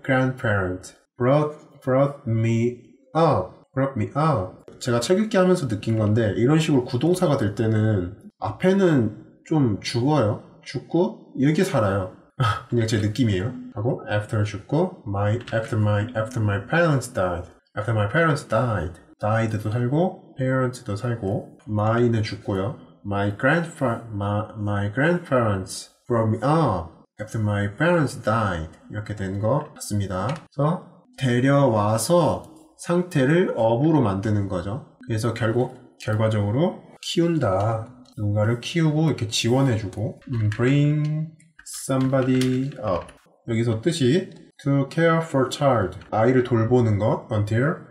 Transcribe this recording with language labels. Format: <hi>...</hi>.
<en>Grandparent brought me up. Brought me up.</en> <ko>제가 책 읽기 하면서 느낀 건데 이런 식으로 구동사가 될 때는 앞에는 좀 죽어요. 죽고 여기 살아요. 그냥 제 느낌이에요. 하고 after 죽고</ko> <en>after my parents died. After my parents died.</en> <ko>died도 살고 parents도 살고 my는 죽고요.</ko> <en>My grandparents brought me up after my parents died.</en> <ko>이렇게 된거 같습니다. 그래서 데려와서 상태를 up으로 만드는 거죠. 그래서 결과적으로 키운다. 누군가를 키우고 이렇게 지원해주고 bring somebody up 여기서 뜻이</ko> <en>to care for child</en> <ko>아이를 돌보는 것 until</ko>